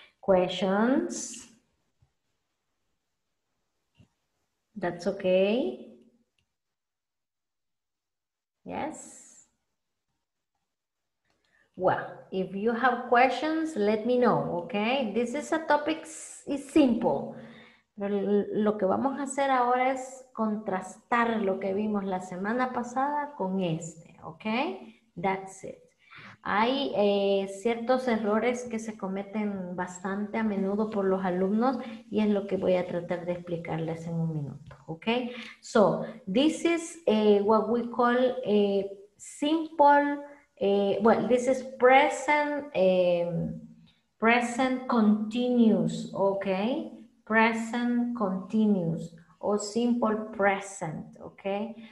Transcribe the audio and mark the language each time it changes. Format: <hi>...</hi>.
<en>Questions? That's okay? Yes? Well, if you have questions, let me know, okay? This is a topic, it's simple.</en> <es>Pero lo que vamos a hacer ahora es contrastar lo que vimos la semana pasada con este, okay?</es> <en>That's it.</en> <es>Hay ciertos errores que se cometen bastante a menudo por los alumnos y es lo que voy a tratar de explicarles en un minuto, okay?</es> <en>So, this is what we call a simple... well, this is present, present continuous, okay? Present continuous or simple present, okay?</en>